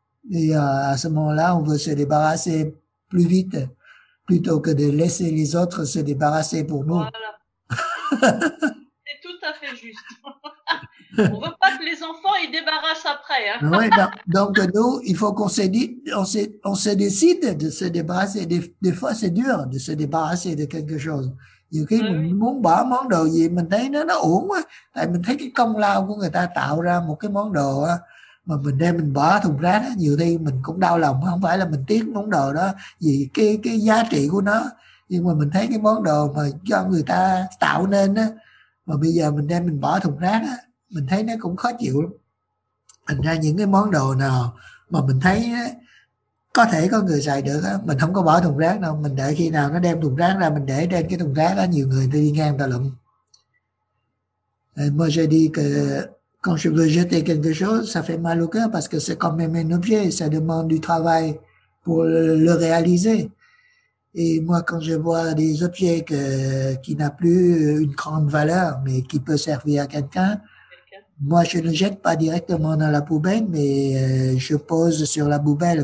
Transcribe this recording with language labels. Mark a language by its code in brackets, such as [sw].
[fr] Et à ce moment-là, on veut se débarrasser plus vite plutôt que de laisser les autres se débarrasser pour nous. Voilà. C'est tout à fait juste. On veut pas que les enfants y débarrassent après. Hein. Ouais, donc nous, il faut qu'on se décide de se débarrasser. Des fois, c'est dur de se débarrasser de quelque chose. [vi] Nhiều khi mình muốn bỏ món đồ gì mình thấy nó ổn quá, tại mình thấy cái công lao của người ta tạo ra một cái món đồ mà mình đem mình bỏ thùng rác, nhiều khi mình cũng đau lòng, không phải là mình tiếc món đồ đó vì cái giá trị của nó, nhưng mà mình thấy cái món đồ mà do người ta tạo nên á, mà bây giờ mình đem mình bỏ thùng rác á, mình thấy nó cũng khó chịu lắm. Thành ra những cái món đồ nào mà mình thấy có thể có người xài được á, mình không có bỏ thùng rác đâu, mình để khi nào nó đem thùng rác ra mình để trên cái thùng rác đó, nhiều người ta đi ngang ta lụm. [fr] Et moi j'ai dit que quand je veux jeter quelque chose, ça fait mal au cœur parce que c'est quand même un objet, ça demande du travail pour le réaliser. Et moi quand je vois des objets qui n'ont plus une grande valeur mais qui peut servir à quelqu'un, moi, je ne jette pas directement dans la poubelle, mais je pose sur la poubelle.